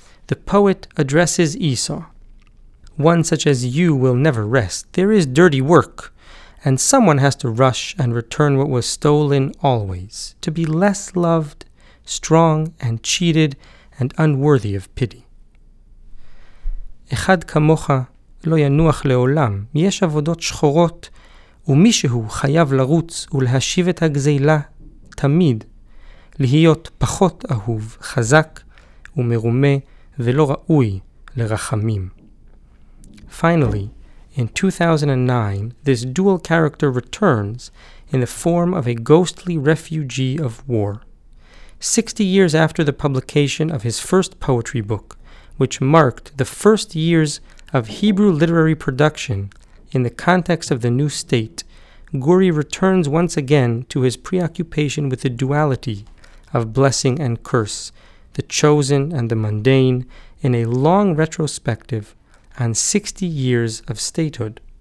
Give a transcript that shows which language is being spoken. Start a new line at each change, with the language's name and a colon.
English: The poet addresses Esau, "One such as you will never rest. There is dirty work, and someone has to rush and return what was stolen always, to be less loved, strong, and cheated, and unworthy of pity."
Hebrew: אחד כמוך לא ינוח לעולם. יש עבודות שחורות, ומישהו חייב לרוץ ולהשיב את הגזילה תמיד, להיות פחות אהוב, חזק ומרומה, ולא ראוי לרחמים.
English: Finally, in 2009, this dual character returns in the form of a ghostly refugee of war. 60 years after the publication of his first poetry book, which marked the first years of Hebrew literary production in the context of the new state, Guri returns once again to his preoccupation with the duality of blessing and curse, the chosen and the mundane, in a long retrospective and 60 years of statehood.